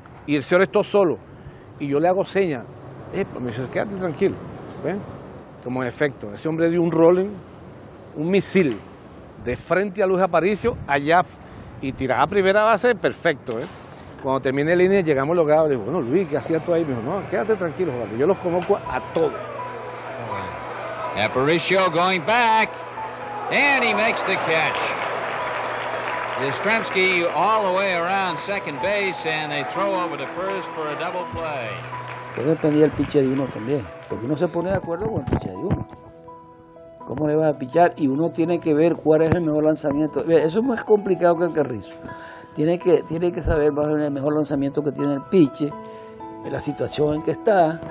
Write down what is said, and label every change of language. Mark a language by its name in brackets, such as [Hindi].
[Spanish] Y el señor está solo y yo le hago señas. Me dice, quédate tranquilo. ¿Ven? como en efecto, ese hombre dio un rolling, un misil, de frente a Luis Aparicio, allá, y tiraba a primera base, perfecto, ¿eh? Cuando terminé la línea, llegamos los gados, le digo, bueno, Luis, ¿qué hacías tú ahí? Me dijo, no, quédate tranquilo, Jorge, yo los conozco a todos. [English] Aparicio going back, and he makes the catch. Yastrzemski all the way around second base, and they throw over the first for a double play. [Spanish] Yo dependía del piche de uno también, porque uno se pone de acuerdo con el piche de uno. ¿Cómo le vas a pichar? Y uno tiene que ver cuál es el mejor lanzamiento. Mira, eso es más complicado que el Carrizo. Tiene que saber cuál es el mejor lanzamiento que tiene el piche, la situación en que está.